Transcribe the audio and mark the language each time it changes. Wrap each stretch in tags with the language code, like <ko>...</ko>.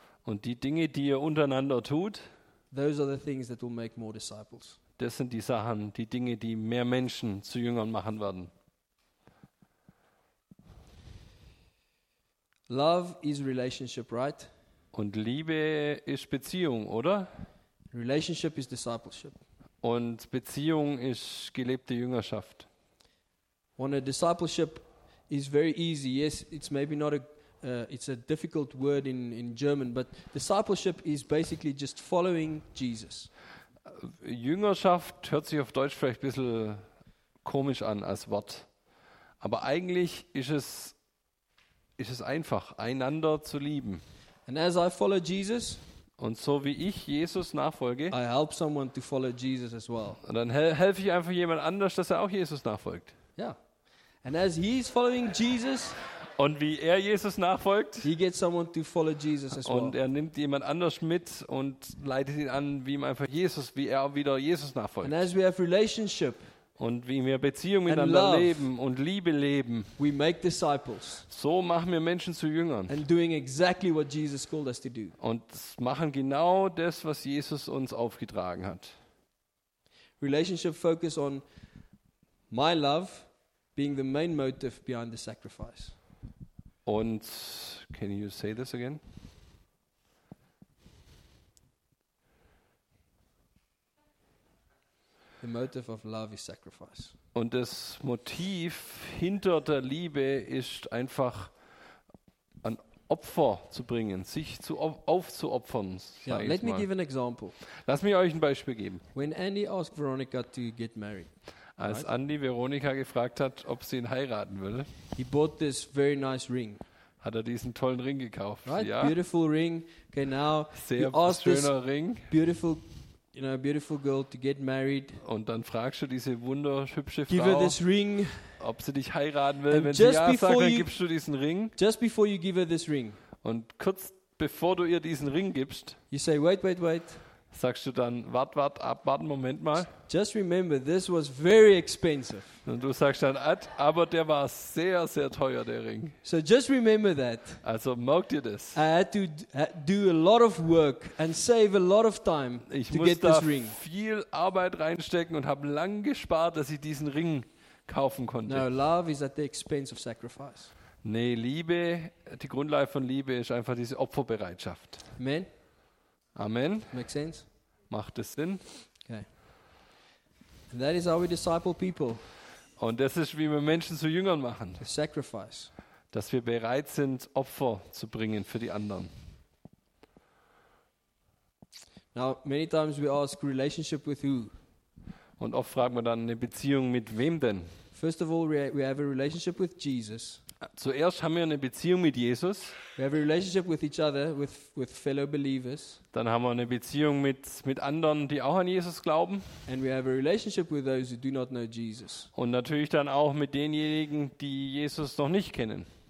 <de>Und die Dinge, die ihr untereinander tut.</de> <en>Those are the things that will make more disciples.</en> <de>Das sind die Sachen, die Dinge, die mehr Menschen zu Jüngern machen werden.</de> <en>Love is relationship, right?</en> <de>Und Liebe ist Beziehung, oder?</de> <en>Relationship is discipleship.</en> <de>Und Beziehung ist gelebte Jüngerschaft.</de> <en>When a discipleship is very easy, yes, it's maybe not a difficult word in German, but discipleship is basically just following Jesus.</en> <de>Jüngerschaft hört sich auf Deutsch vielleicht ein bisschen komisch an als Wort. Aber eigentlich ist es einfach, einander zu lieben.</de> <en>And as I follow Jesus,</en> <de>und so wie ich Jesus nachfolge,</de> <en>I help someone to follow Jesus as well.</en> <de>Und dann helfe ich einfach jemand anders, dass er auch Jesus nachfolgt.</de> <en>Yeah. And as he is following Jesus,</en> <de>und wie er Jesus nachfolgt,</de> <en>he gets someone to follow Jesus as well.</en> <de>Und er nimmt jemand anders mit und leitet ihn an, wie ihm einfach Jesus, wie er wieder Jesus nachfolgt.</de> <en>And as we have relationship,</en> <de>und wie wir Beziehung miteinander</de> <en>and love,</en> <de>leben und Liebe leben,</de> <en>we make disciples,</en> <de>so machen wir Menschen zu Jüngern.</de> <en>And doing exactly what Jesus called us to do.</en> <de>Und machen genau das, was Jesus uns aufgetragen hat.</de> <en>Relationship focus on my love being the main motive behind the sacrifice. Und can you say this again? The motive of love is sacrifice.</en> <de>Und das Motiv hinter der Liebe ist einfach ein Opfer zu bringen, sich zu aufzuopfern.</de> <en>Yeah, let me give an example.</en> <de>Lass mich euch ein Beispiel geben.</de> <en>When Andy asked Veronica to get married.</en> <de>Als Andy Veronika gefragt hat, ob sie ihn heiraten will,</de> <en>he bought this very nice ring.</en> <de>Hat er diesen tollen Ring gekauft.</de> <en>Right?</en> <de>Ja.</de> <en>Beautiful ring. Okay, now</en> <de>sehr schöner Ring.</de> <en>Beautiful, you know, beautiful girl to get married.</en> <de>Und dann fragst du diese wunderhübsche Frau,</de> <en>give her this ring,</en> <de>ob sie dich heiraten will. Wenn sie ja sagt, dann gibst du diesen Ring.</de> <en>Just before you give her this ring.</en> <de>Und kurz bevor du ihr diesen Ring gibst,</de> <en>you say, wait, wait, wait.</en> <de>Sagst du dann, wart, ab, warten, Moment mal.</de> <en>Just remember, this was very expensive.</en> <de>Und du sagst dann, aber der war sehr, sehr teuer, der Ring.</de> <en>So just remember that.</en> <de>Also merk dir das.</de> <en>I had to do a lot of work and save a lot of time</en> <de>ich</de> <en>to get this ring.</en> <de>Ich musste viel Arbeit reinstecken und habe lang gespart, dass ich diesen Ring kaufen konnte.</de> <en>No, love is at the expense of sacrifice.</en> <de>Nee, Liebe, die Grundlage von Liebe ist einfach diese Opferbereitschaft. Amen. Amen.</de> <en>Makes sense?</en> <de>Macht es Sinn?</de> <en>Okay. And that is how we disciple people.</en> <de>Und das ist, wie wir Menschen zu Jüngern machen.</de> <en>The sacrifice.</en> <de>Dass wir bereit sind, Opfer zu bringen für die anderen.</de> <en>Now, many times we ask relationship with who?</en> <de>Und oft fragen wir dann eine Beziehung mit wem denn?</de> <en>First of all, we have a relationship with Jesus.</en> <de>Zuerst haben wir eine Beziehung mit Jesus.</de> <en>We have a relationship with each other, with fellow believers.</en> <de>Dann haben wir eine Beziehung mit anderen, die auch an Jesus glauben.</de> <en>And we have a relationship with those who do not know Jesus.</en> <de>Und natürlich dann auch mit denjenigen, die Jesus noch nicht kennen.</de>